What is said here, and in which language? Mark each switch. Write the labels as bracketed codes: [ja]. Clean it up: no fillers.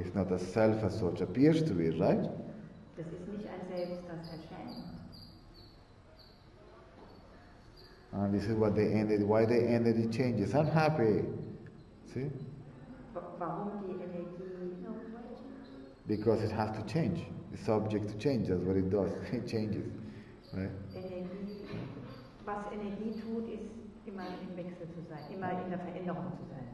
[en] It's not a self as such appears to be, right? [de] Das ist nicht ein Selbst, das erscheint. [en] And this is what the energy, why the energy changes. I'm happy. See? [de] Warum die Energie? [en] Because it has to change. The subject changes. That's what it does. It changes. Right? [de] Energie. Was Energie tut, ist immer im Wechsel zu sein, immer in der Veränderung zu sein.